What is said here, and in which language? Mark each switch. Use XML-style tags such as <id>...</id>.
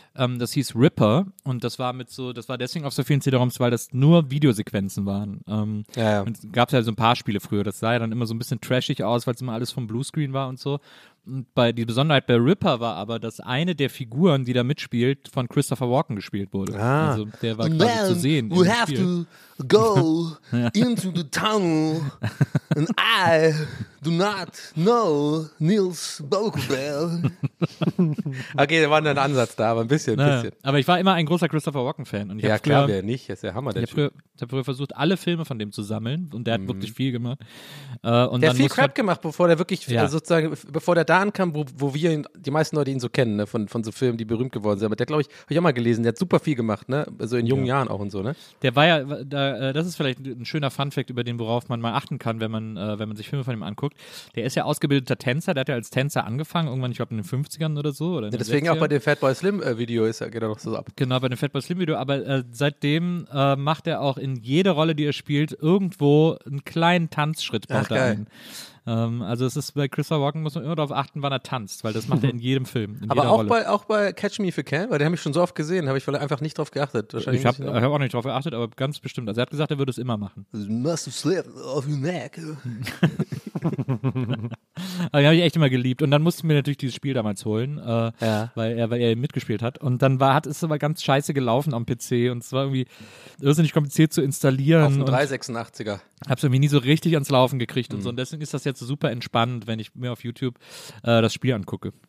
<de>Das hieß Ripper und das war deswegen auf so vielen CD-ROMs, weil das nur Videosequenzen waren. Ja. Und gab es ja so ein paar Spiele früher, das sah ja dann immer so ein bisschen trashig aus, weil es immer alles vom Bluescreen war und so. Und die Besonderheit bei Ripper war aber, dass eine der Figuren, die da mitspielt, von Christopher Walken gespielt wurde. Ah. Also der war quasi zu sehen.</de> <en>We have to go into the tunnel and I do not know Nils Bokelbel.</en> <de>Okay, da war ein Ansatz da, aber ein bisschen. Aber ich war immer ein großer Christopher Walken-Fan. Und wer nicht, ist der Hammer, der Typ. Ich habe früher versucht, alle Filme von dem zu sammeln und der hat wirklich viel gemacht. Und der hat viel Crap gemacht, bevor der wirklich, bevor der da ankam, wo wir ihn, die meisten Leute ihn so kennen, ne, von so Filmen, die berühmt geworden sind. Aber der, glaube ich, habe ich auch mal gelesen, der hat super viel gemacht, ne, so in jungen Jahren auch und so. Ne? Der war ja, das ist vielleicht ein schöner Funfact, über den, worauf man mal achten kann, wenn man sich Filme von ihm anguckt. Der ist ja ausgebildeter Tänzer, der hat ja als Tänzer angefangen, irgendwann, ich glaube, in den 50ern oder so. Oder deswegen 60ern. Auch bei dem Fatboy Slim Video ist er, geht er noch so ab. Genau, bei dem Fatboy Slim Video, aber seitdem macht er auch in jede Rolle, die er spielt, irgendwo einen kleinen Tanzschritt baut er ein. Also es ist bei Christopher Walken, muss man immer darauf achten, wann er tanzt, weil das macht er in jedem Film. Aber auch bei Catch Me If You Can, weil den habe ich schon so oft gesehen, habe ich vielleicht einfach nicht drauf geachtet. Ich habe auch nicht drauf geachtet, aber ganz bestimmt. Also er hat gesagt, er würde es immer machen.</de> <en>Must have slipped off your neck.</en> <de>Aber den habe ich echt immer geliebt. Und dann musste ich mir natürlich dieses Spiel damals holen, weil er mitgespielt hat. Und dann hat es aber ganz scheiße gelaufen am PC. Und es war irgendwie irrsinnig kompliziert zu installieren. Auf dem 386er. Hab's irgendwie nie so richtig ans Laufen gekriegt und so. Und deswegen ist das jetzt super entspannend, wenn ich mir auf YouTube das Spiel angucke.</de>